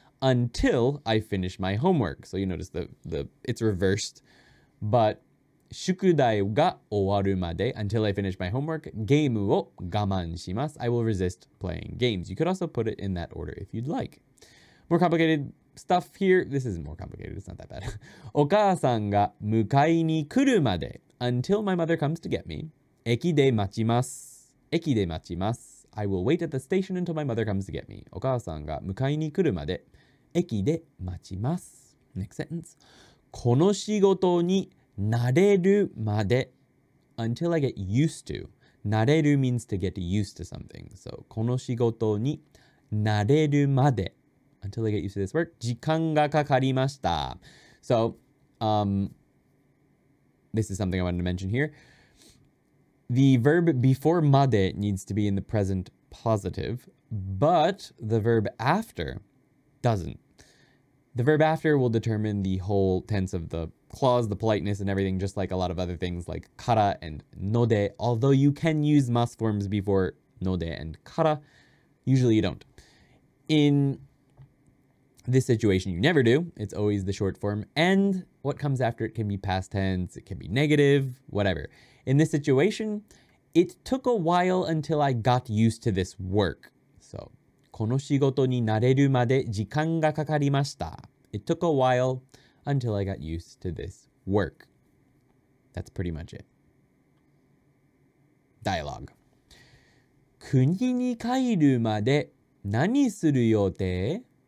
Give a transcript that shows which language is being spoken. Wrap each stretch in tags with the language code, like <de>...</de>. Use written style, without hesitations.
<en>Until I finish my homework. So, you notice the it's reversed. But,</en> <ja>宿題が終わるまで.</ja> <en>Until I finish my homework.</en> <ja>ゲームを我慢します.</ja> <en>I will resist playing games. You could also put it in that order if you'd like. More complicated stuff here. This isn't more complicated. It's not that bad.</en> <ja>お母さんが迎えに来るまで.</ja> <en>Until my mother comes to get me.</en> <ja>駅で待ちます. 駅で待ちます.</ja> <en>I will wait at the station until my mother comes to get me.</en> <ja>お母さんが迎えに来るまで. 駅で待ちます.</ja> <en>Next sentence.</en> <ja>この仕事になれるまで.</ja> <en>Until I get used to. 慣れる means to get used to something.</en> <ja>So, この仕事になれるまで.</ja> <en>Until I get used to this work.</en> <ja>時間がかかりました.</ja> <en>So, this is something I wanted to mention here. The verb before made needs to be in the present positive, but the verb after doesn't. The verb after will determine the whole tense of the clause, the politeness and everything, just like a lot of other things like kara and node. Although you can use mas forms before node and kara, usually you don't. In this situation, you never do. It's always the short form. And what comes after it can be past tense, it can be negative, whatever. In this situation, it took a while until I got used to this work.</en> <ja>So, この仕事になれるまで時間がかかりました.</ja> <en>It took a while until I got used to this work. That's pretty much it. Dialogue.</en> <ja>国に帰るまで何する予定?</ja>